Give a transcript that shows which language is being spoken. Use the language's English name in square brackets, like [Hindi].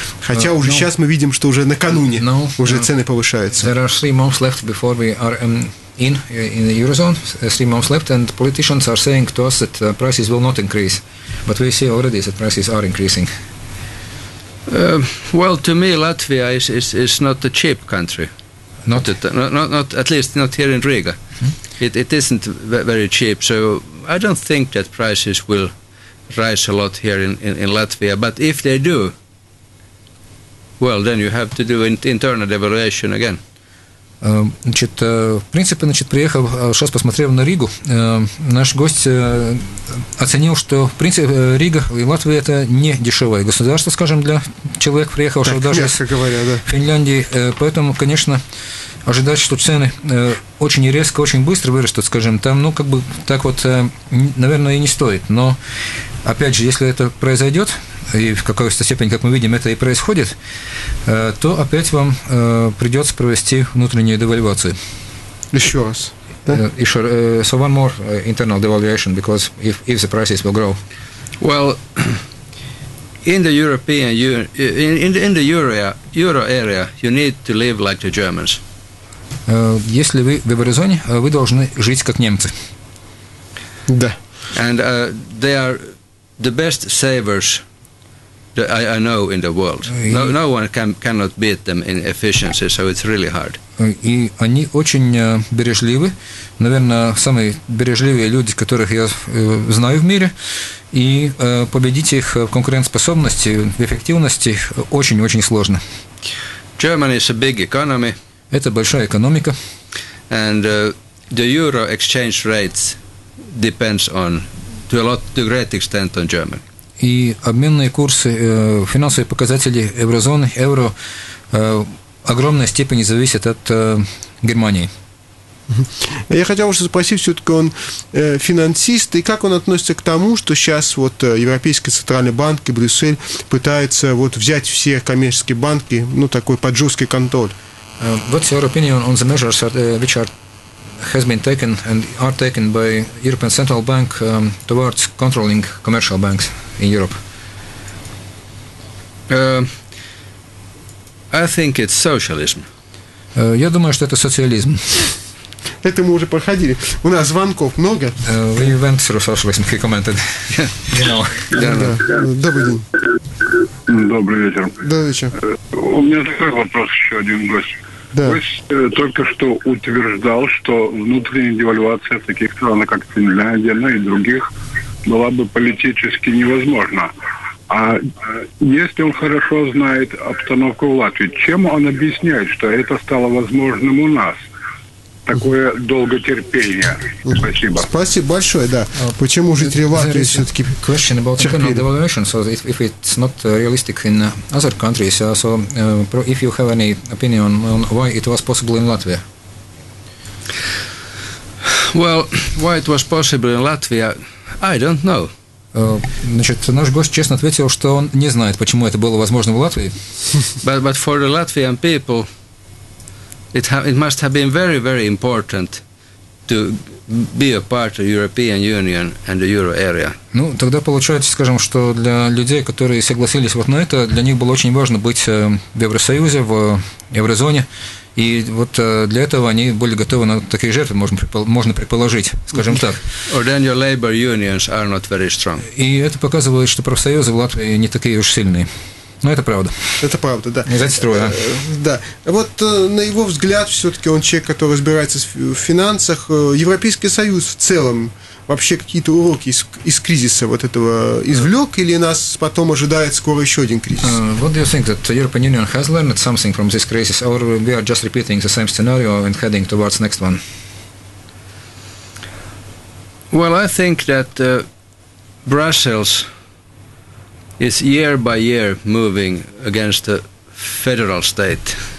[Russian] Хотя уже сейчас мы видим, что уже накануне цены повышаются. [English] There are 3 months left before we are in the Eurozone. 3 months left, and politicians are saying to us that prices will not increase. But we see already that prices are increasing. Well, to me, Latvia is not a cheap country. Not at least not here in Riga. It isn't very cheap. So I don't think that prices will rise a lot here in Latvia. But if they do, well, then you have to do internal devaluation again. [Russian] Значит, в принципе, значит, приехав, сейчас посмотрев на Ригу, наш гость оценил, что, в принципе, Рига и Латвия – это не дешевое государство, скажем, для человека, приехавшего так, даже из Финляндии. Поэтому, конечно, ожидать, что цены очень резко, очень быстро вырастут, скажем, там, ну, как бы, так вот, наверное, и не стоит. Но, опять же, если это произойдет, и в какой-то степени, как мы видим, это и происходит, то опять вам придется провести внутреннюю девальвацию. Еще раз. [English] So one more internal devaluation, because if the prices will grow. Well, in the European euro area, you need to live like the Germans. [Russian] Если вы в еврозоне, вы должны жить как немцы. Да. [English] And they are the best savers that I know in the world. No one cannot beat them in efficiency, so it's really hard. [Russian] И они очень бережливы, наверное, самые бережливые люди, которых я знаю в мире, и победить их в конкурентоспособности, в эффективности очень-очень сложно. [English] Germany is a big economy. [Russian] Это большая экономика. [English] And the euro exchange rates depends on to a great extent on Germany. [Russian] И обменные курсы, финансовые показатели еврозоны, евро, огромной степени зависят от Германии. Я хотел бы спросить, все-таки он финансист, и как он относится к тому, что сейчас вот Европейский центральный банк и Брюссель пытаются вот взять все коммерческие банки, ну, такой под жесткий контроль? [English] What's your opinion on the measures which are has been taken and are taken by European Central Bank towards controlling commercial banks in Europe? I think it's socialism. [Russian] Я думаю, что это социализм. Это мы уже проходили. У нас звонков много. [English] We went through socialism, he commented. [Russian] Добрый день. Добрый вечер. Добрый вечер. У меня такой вопрос, еще один гость. Да. То есть только что утверждал, что внутренняя девальвация в таких странах, как Финляндия, ну и других, была бы политически невозможна. А если он хорошо знает обстановку в Латвии, чем он объясняет, что это стало возможным у нас? такое долготерпение. Спасибо. Спасибо большое, да. Почему жители Латвии все-таки [English] question about economic devaluation, so if it's not realistic in other countries, so if you have any opinion on why it was possible in Latvia? Well, why it was possible in Latvia, I don't know. [Russian] Значит, наш гость честно ответил, что он не знает, почему это было возможно в Латвии. [English] But for the Latvian people, it must have been very, very important to be a part of European Union and the euro area. [Russian] Ну, тогда получается, скажем, что для людей, которые согласились вот на это, для них было очень важно быть в Евросоюзе, в еврозоне. И вот для этого они были готовы на такие жертвы, можно предположить, скажем так. [English] Or then your labor unions are not very strong. [Russian] И это показывает, что профсоюзы в Латвии не такие уж сильные. Но это правда. Это правда, да. Не знаете, строя. Да. Вот на его взгляд, все-таки он человек, который разбирается в финансах. Европейский Союз в целом вообще какие-то уроки из кризиса вот этого извлек, или нас потом ожидает скоро еще один кризис? [English] What do you think, that European Union has learned something from this crisis, or we are just repeating the same scenario and heading towards next one? Well, I think that Brussels is year by year moving against the federal state.